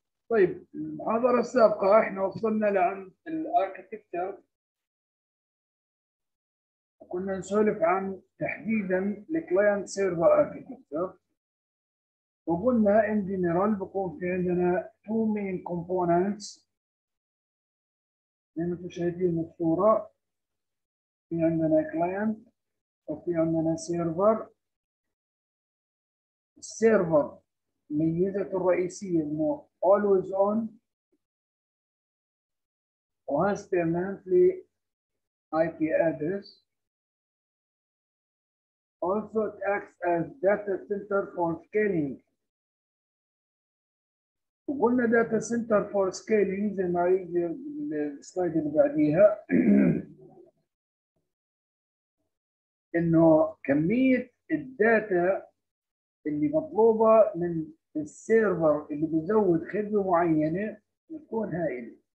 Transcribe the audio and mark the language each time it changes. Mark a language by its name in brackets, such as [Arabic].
[Arabic] طيب، المحاضرة السابقة احنا وصلنا لعند الاركتكتر، وكنا نسولف عن تحديدا الكلاينت سيرفر اركتكتر، وقلنا ان جنرال بكون في عندنا تو مين كومبوننتس زي ما انتم شايفين الصورة، في عندنا كلاينت وفي عندنا سيرفر. السيرفر ميزته الرئيسية انه [English] always on وهاز permanently IP address also it acts as data center for scaling. [Arabic] وقلنا [English] data center for scaling [Arabic] زي ما يجي السلايد اللي بعديها انه كمية الداتا اللي مطلوبة من السيرفر اللي بيزود خدمة معينة يكون هائل.